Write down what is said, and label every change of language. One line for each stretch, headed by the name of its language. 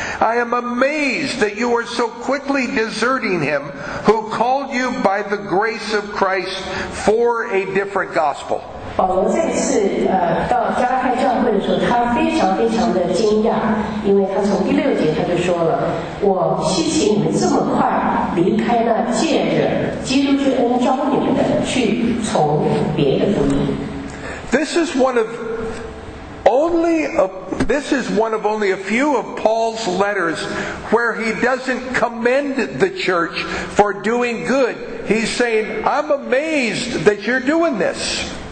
English: I am amazed that you are so quickly deserting him who called you by the grace of Christ for a different gospel.
Chinese: 保罗这次到加拉太教会的时候，他非常非常的惊讶，因为他从第六节他就说了：“我稀奇你们这么快离开那借着基督之恩招你们的，去从别的福音。”
English: This is one of only a. This is one of only a few of Paul's letters where he doesn't commend the church for doing good. He's saying, "I'm amazed that you're doing this."